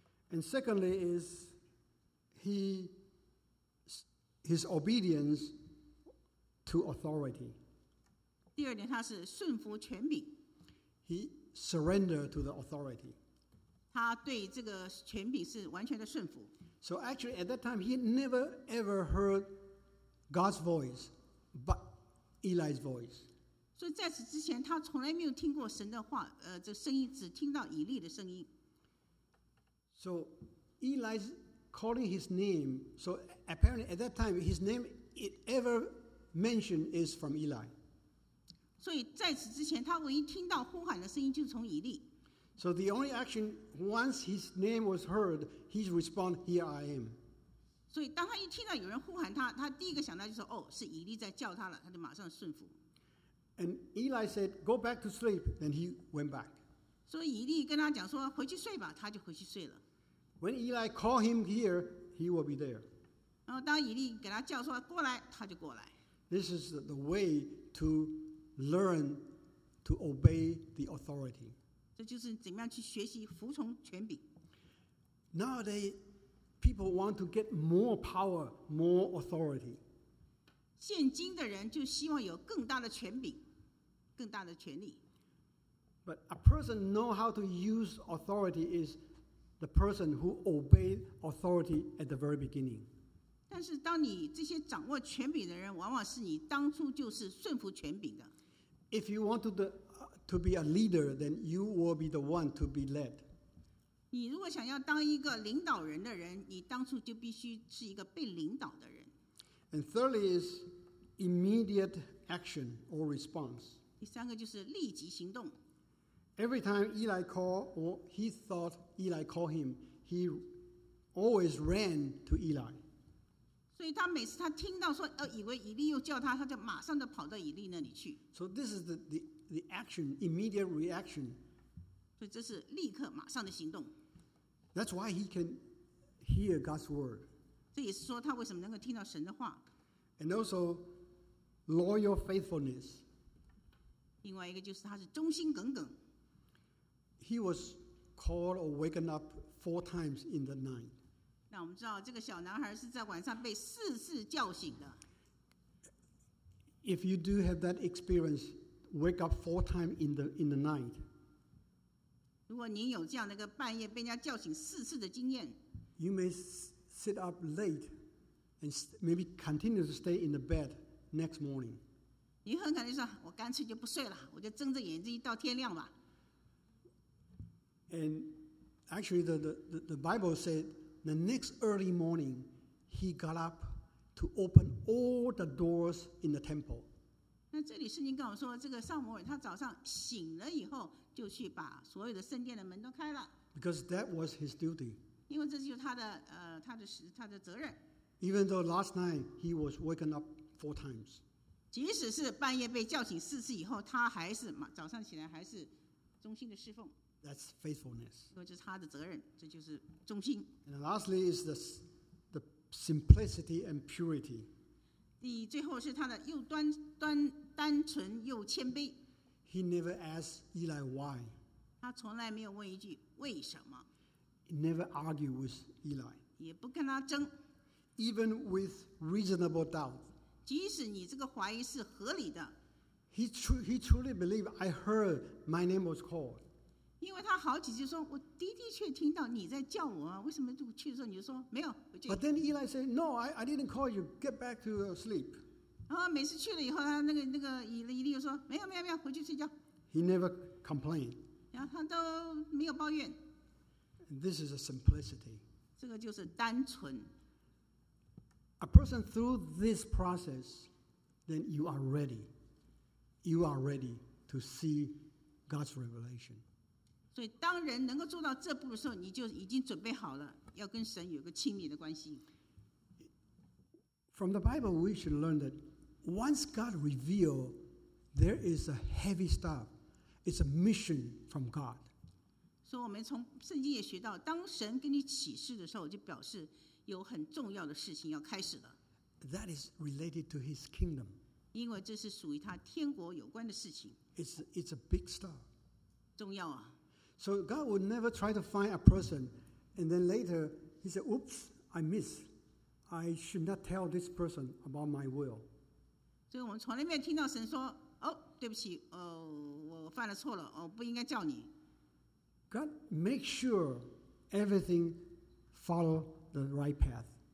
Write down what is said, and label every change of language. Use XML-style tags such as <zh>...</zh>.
<en>And secondly is, his obedience. To authority.</en> <zh>第二点，他是顺服权柄。</zh> <en>He surrendered to the authority.</en> <zh>他对这个权柄是完全的顺服。</zh> <en>So actually, at that time, he never ever heard God's voice, but Eli's voice.</en> <zh>所以在此之前，他从来没有听过神的话，这声音只听到以利的声音。</zh> <en>So Eli's calling his name. So apparently, at that time, his name it ever. Mention is from Eli.</en> <zh>所以在此之前，他唯一听到呼喊的声音就是从以利。</zh> <en>So the only action once his name was heard, he responded, "Here I am."</en> <zh>所以当他一听到有人呼喊他，他第一个想到就是哦，是以利在叫他了，他就马上顺服。</zh> <en>And Eli said, "Go back to sleep." Then he went back.</en> <zh>所以以利跟他讲说回去睡吧，他就回去睡了。</zh> <en>When Eli called him here, he will be there.</en> <zh>然后当以利给他叫说过来，他就过来。</zh> <en>This is the way to learn to obey the authority.</en> <zh>这就是怎么样去学习服从权柄。</zh> <en>Nowadays, people want to get more power, more authority.</en> <zh>现今的人就希望有更大的权柄，更大的权力。</zh> <en>But a person know how to use authority is the person who obeyed authority at the very beginning.</en> <zh>但是当你这些掌握权柄的人往往是你当初就是顺服权柄的。</zh> <en>If you want to be a leader, then you will be the one to be led.</en> <zh>你如果想要当一个领导人的人，你当初就必须是一个被领导的人。</zh> <en>And thirdly is immediate action or response.</en> <zh>第三个就是立即行动。</zh> <en>Every time Eli called, or he thought Eli called him, he always ran to Eli.</en> <zh>所以他每次他听到说以为以利又叫他，他就马上就跑到以利那里去。</zh> <en>So this is the action, immediate reaction.</en> <zh>所以这是立刻马上的行动。</zh> <en>That's why he can hear God's word.</en> <zh>这也是说他为什么能够听到神的话。</zh> <en>And also loyal faithfulness.</en> <zh>另外一个就是他是忠心耿耿。</zh> <en>He was called or waken up four times in the night.</en> <zh>那我们知道这个小男孩是在晚上被四次叫醒的。</zh> <en>If you do have that experience, wake up four times in the night.</en> <zh>如果您有这样的一个半夜被人家叫醒四次的经验，</zh> <en>you may sit up late and maybe continue to stay in the bed next morning.</en> <zh>你很可能说，我干脆就不睡了，我就睁着眼睛到天亮吧。</zh> <en>And actually, the Bible said the next early morning, he got up to open all the doors in the temple.</en> <zh>那这里圣经跟我说，这个撒母耳他早上醒了以后，就去把所有的圣殿的门都开了。</zh> <en>Because that was his duty.</en> <zh>因为这就是他的责任。</zh> <en>Even though last night he was woken up four times.</en> <zh>即使是半夜被叫醒四次以后，他还是早上起来还是忠心的侍奉。</zh> <en>That's faithfulness.</en> <zh>这是他的责任，这就是忠心。</zh> <en>And lastly is the simplicity and purity.</en> <zh>最后是他的又单纯又谦卑。</zh> <en>He never asked Eli why.</en> <zh>他从来没有问一句为什么。</zh> <en>He never argued with Eli.</en> <zh>也不跟他争。</zh> <en>Even with reasonable doubt.</en> <zh>即使你这个怀疑是合理的。</zh> <en>He truly believed I heard my name was called.</en> <zh>因为他好几次说，我的的确听到你在叫我啊，为什么就去的时候你就说没有？我就。</zh> <en>But then Eli said, "No, I didn't call you. Get back to sleep."</en> <zh>然后每次去了以后，他那个以利就说没有没有没有，回去睡觉。</zh> <en>He never complained.</en> <zh>然后他都没有抱怨。</zh> <en>This is a simplicity.</en> <zh>这个就是单纯。</zh> <en>A person through this process, then you are ready. You are ready to see God's revelation.</en> <zh>所以当人能够做到这步的时候，你就已经准备好了要跟神有个亲密的关系。</zh> <en>From the Bible we should learn that once God revealed there is a heavy stuff, it's a mission from God.</en> <zh>所以我们从圣经也学到，当神给你启示的时候，就表示有很重要的事情要开始了。</zh> <en>That is related to his kingdom.</en> <zh>因为这是属于他天国有关的事情。</zh> <en>It's a big stuff.</en> <zh>重要啊。</zh> <en>So God would never try to find a person, and then later he said, "Oops, I missed. I should not tell this person about my will." So we</en> <zh>从来没有听到神说，哦，对不起，哦，我犯了错了，哦，不应该叫你。</zh> <en>God makes sure everything follow the right path.</en>